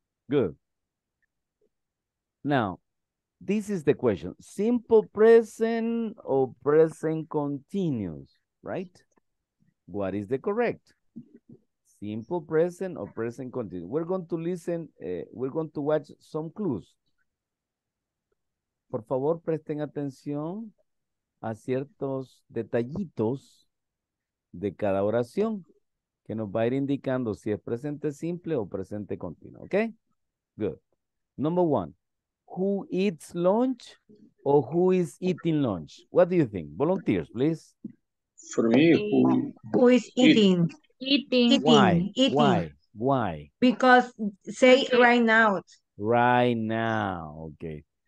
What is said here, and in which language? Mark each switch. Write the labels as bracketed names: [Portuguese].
[English] Good. Now, this is the question. Simple present or present continuous, right? What is the correct? Simple present or present continuous? We're going to listen, we're going to watch some clues. [Spanish] Por favor, presten atención a ciertos detallitos de cada oración que nos va a ir indicando si es presente simple o presente continuo, okay? [English] Good. Number one. Who eats lunch or who is eating lunch? What do you think? Volunteers, please. For me, who is eating? Eating. Why? Because say right now. Right now, okay.